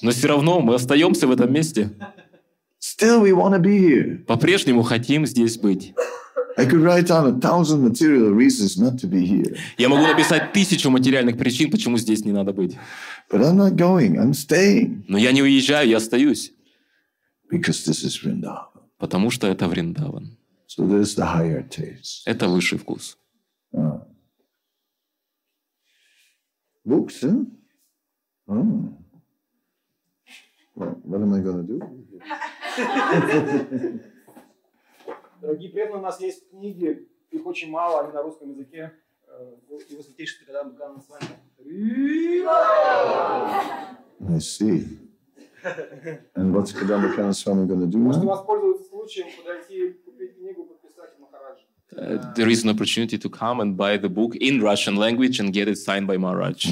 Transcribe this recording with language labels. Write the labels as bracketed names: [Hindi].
[Russian] Но все равно мы остаемся в этом месте. [English] Still we want to be here. [Russian] По-прежнему хотим здесь быть. [English] I could write down 1,000 material reasons not to be here. [Russian] Я могу написать 1,000 материальных причин, почему здесь не надо быть. [English] But I'm not going. I'm staying. [Russian] Но я не уезжаю, я остаюсь. [English] Because this is Vrindavan. [Russian] Потому что это Вриндаван. [English] So this is the higher taste. [Russian] Это высший вкус. [English] Books, huh? Oh. Well, what am I gonna do? [Russian] Дорогие преданные, у нас есть книги, их очень мало, они на русском языке. Его святейшество Кадамба Кананы Свами. [English] I see. And what's Kadamba Kanana Swami going to do? [Russian] Можете воспользоваться случаем, подойти, купить книгу, подписать Махараджи. [English] There is an opportunity to come and buy the book in Russian language and get it signed by Maharaj.